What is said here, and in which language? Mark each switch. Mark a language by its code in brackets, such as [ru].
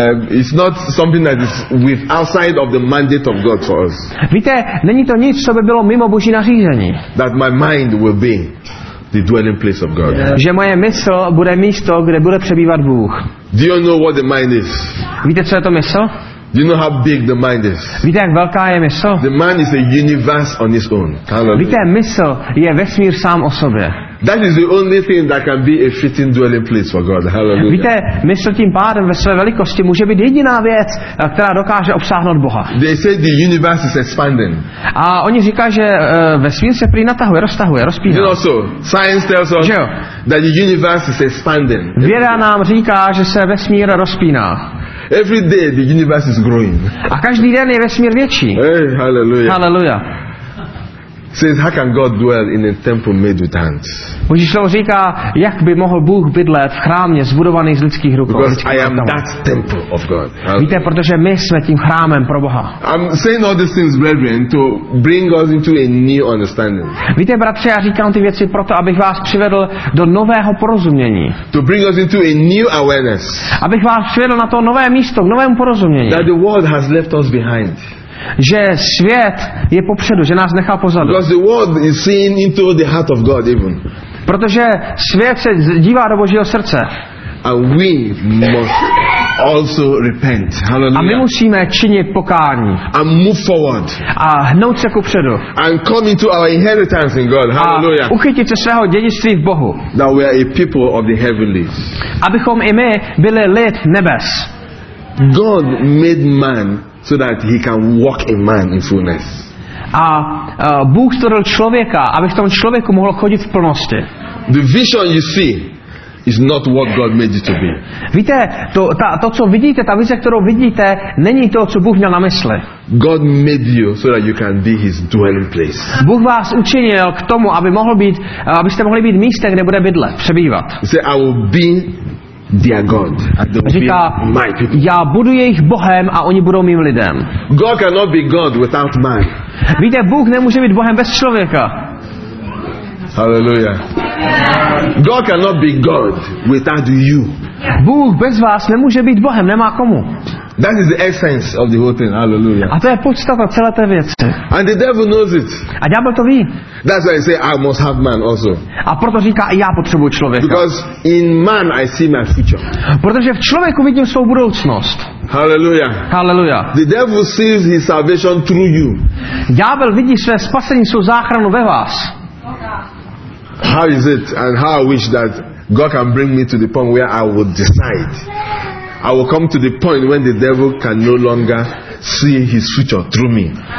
[en] It's not something that is with outside of the mandate of God for us. [cs] Víte, není to nic, co by bylo mimo Boží nařízení. [en] That my mind will be the dwelling place of God. Yeah. [cs] Že moje mysl bude místo, kde bude přebývat Bůh. [en] Do you know what the mind is? [cs] Víte, co je to mysl? [en] Do you know how big the mind is? [cs] Víte, jak velká je mysl? [en] The mind is a universe on its own. Hallelujah. [cs] Víte, mysl je vesmír sám o sobě. [en] That is the only thing that can be a fitting dwelling place for God. Hallelujah. [cs] Víte, mysl tím pádem ve své velikosti může být jediná věc, která dokáže obsáhnout Boha. [en] They say the universe is expanding. [cs] A oni říkají, že vesmír se prý natahuje, roztahuje, rozpíná. [en] You know, so science tells us that the universe is expanding. [cs] Věda nám říká, že se vesmír rozpíná. [en] Every day the universe is growing. [cs] A každý den je vesmír větší. [en] Hey, hallelujah. Hallelujah. Says, how can God dwell in a temple made with hands? [cs] Boží slovo říká, jak by mohl Bůh bydlet v chrámě zbudovaný z lidských rukou. [en] Because I am that temple of God. [cs] Víte, protože my jsme tím chrámem pro Boha. [en] I'm saying all these things, brethren, to bring us into a new understanding. [cs] Víte, bratře, já říkám ty věci proto, abych vás přivedl do nového porozumění. [en] To bring us into a new awareness. [cs] Abych vás přivedl na to nové místo, k novému porozumění. [en] That the world has left us behind. [cs] Že svět je popředu, že nás nechá pozadu. [en] Because the world is seen into the heart of God even. [cs] Protože svět se dívá do Božího srdce. [en] And we must also repent. Hallelujah. [cs] A my musíme činit pokání. [en] And move forward. [cs] A hnout se kupředu. [en] And come into our inheritance in God. Hallelujah. [cs] A uchytit se svého dědictví v Bohu. [en] That we are a people of the heavenlies. [cs] Abychom i my byli lid nebes. [en] God made man so that he can walk a man in fullness. [cs] A Bůh stvořil člověka, aby v tom člověku mohl chodit v plnosti. [en] The vision you see is not what God made it to be. [cs] Víte, to co vidíte, ta vize, kterou vidíte, není to, co Bůh měl na mysli. [en] God made you so that you can be his dwelling place. [cs] Bůh vás učinil k tomu, abyste mohli být místem, kde bude bydlet, přebývat. [en] Say, I will be their God, and they will [cs] říká, [en] be my people. [cs] Já budu jejich Bohem a oni budou mým lidem. [en] God cannot be God without man. [cs] Víte, Bůh nemůže být Bohem bez člověka. Hallelujah. [en] God cannot be God without you. [cs] Bůh bez vás nemůže být Bohem, nemá komu. [en] That is the essence of the whole thing. Hallelujah. [cs] A to je podstata celé té věci. [en] And the devil knows it. [cs] A ďábel to ví. [en] That's why he say I must have man also. [cs] A proto říká, já potřebuji člověka. [en] Because in man I see my future. [cs] Protože v člověku vidím svou budoucnost. Hallelujah. Hallelujah. [en] The devil sees his salvation through you. [cs] Ďábel vidí své spasení, svou záchranu ve vás. [en] How is it and how I wish that God can bring me to the point where I would decide. I will come to the point when the devil can no longer see his future through me.